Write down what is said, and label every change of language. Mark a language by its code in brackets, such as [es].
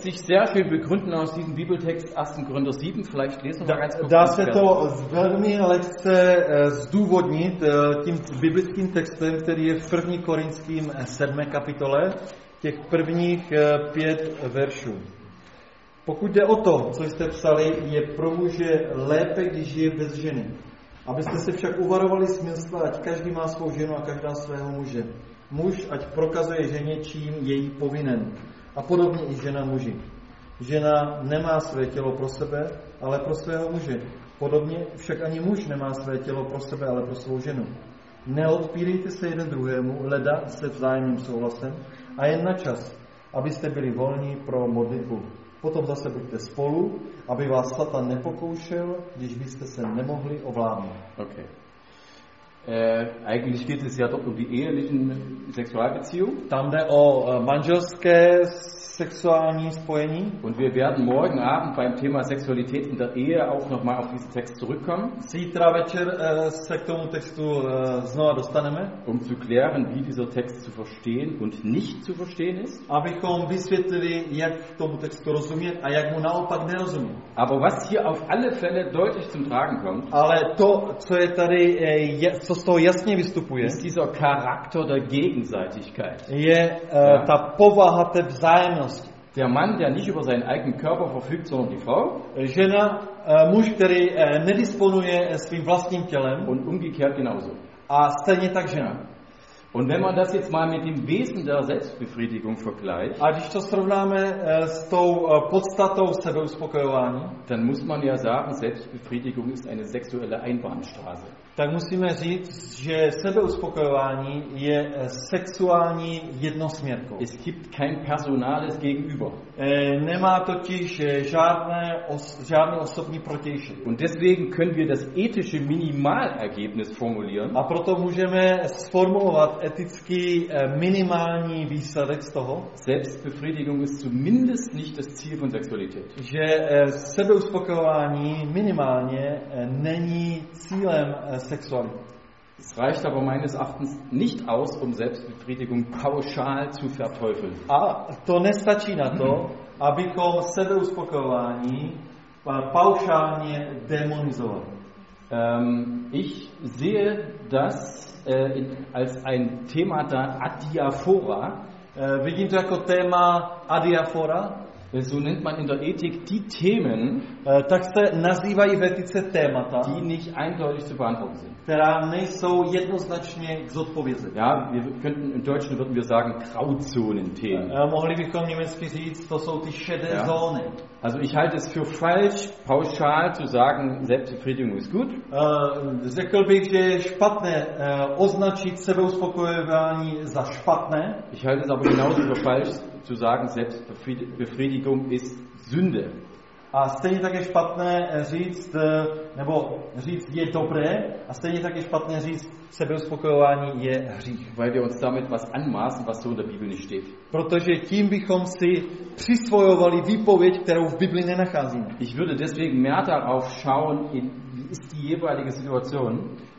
[de] sich sehr viel begründen aus diesem Bibeltext 1. Korinther 7, vielleicht lesen wir ganz kurz. [cs] Dá se to velmi lehce zdůvodnit tím biblickým textem, který je v 1. Korinským 7. kapitole, těch prvních 5 veršů. Pokud jde o to, co jste psali, je pro muže lépe, když žije bez ženy. Abyste se však uvarovali smilstva, ať každý má svou ženu a každá svého muže. Muž, ať prokazuje ženě, čím její povinen. A podobně i žena muži. Žena nemá své tělo pro sebe, ale pro svého muže. Podobně však ani muž nemá své tělo pro sebe, ale pro svou ženu. Neodpírejte se jeden druhému, leda se vzájemným souhlasem, a jen na čas, abyste byli volní pro modlitbu. Potom zase buďte spolu, aby vás Satan nepokoušel, když byste se nemohli ovládnout. Okay. [de] Eigentlich geht es ja doch um die ehelichen Sexualbeziehung. [cs] Tam jde o manželské sexuální spojení. [de] Und wir werden morgen Abend beim Thema Sexualität in der Ehe auch noch mal auf diesen Text zurückkommen. [cs] Zítra večer se k tomu textu znova dostaneme. [de] Um zu klären, wie dieser Text zu verstehen und nicht zu verstehen ist. [cs] Abychom vysvětlili, jak tomu textu rozumět a jak mu naopak nerozumět. [de] Aber was hier auf alle Fälle deutlich zum Tragen kommt. [cs] Ale to, co je tady co z toho jasně vystupuje, [de] ist dieser Charakter der Gegenseitigkeit. [cs] Je ta povaha té vzájemnosti. [de] Der Mann, der nicht über seinen eigenen Körper verfügt, sondern die Frau. [cs] Žena, muž, který nedisponuje svým vlastním tělem. [de] Und umgekehrt genauso. [cs] A stejně tak žena. [de] Und wenn man das jetzt mal mit dem Wesen der Selbstbefriedigung vergleicht, [cs] a když to srovnáme s tou podstatou sebeuspokojování, [de] dann muss man ja sagen, Selbstbefriedigung ist eine sexuelle Einbahnstraße. [cs] Tak musíme říct, že sebeuspokojování je sexuální jednosměrkou. [de] Es gibt kein personales gegenüber. [cs] Nemá totiž žádný osobní protějšek. [de] Und deswegen können wir das ethische Minimalergebnis formulieren. [cs] A proto můžeme sformulovat etický minimální výsledek z toho. [de] Selbstbefriedigung ist zumindest nicht das Ziel von Sexualität. [cs] Že sebeuspokojování minimálně není cílem sexuality. [de] Es reicht aber meines Erachtens nicht aus, um Selbstbefriedigung pauschal zu verteufeln. [cs] A to nestačí na to, abychom sebeuspokojování pauschálně demonizovali. [de] Ich sehe das als ein Thema der Adiaphora. [cs] Vidím to jako téma Adiaphora. [de] So nennt man in der Ethik die Themen, [cs] tak se nazývají v etice témata, [de] die nicht eindeutig zu beantworten sind. [cs] Která nejsou jednoznačně k zodpovězi. [de] Ja, wir könnten in Deutschen würden wir sagen Grauzonen-Themen. [cs] Mohli bychom německy říct, to jsou ty šedé zóny. [de] Also ich halte es für falsch, pauschal zu sagen, Selbstbefriedigung ist gut. [cs] Řekl bych, že je špatné označit sebeuspokojování za špatné. [de] Ich halte es aber genauso für falsch, zu sagen, Selbstbefriedigung ist Sünde. [cs] A stejně tak je špatné říct, nebo říct je dobré, a stejně tak je špatné říct sebeuspokojování je hřích. [de] Weil wir uns damit was anmaßen, was so in der Bibel nicht steht. [cs] Protože tím bychom si přisvojovali výpověď, kterou v Biblii nenacházíme. [de] Ich würde deswegen mehr darauf schauen, wie ist die jeweilige Situation.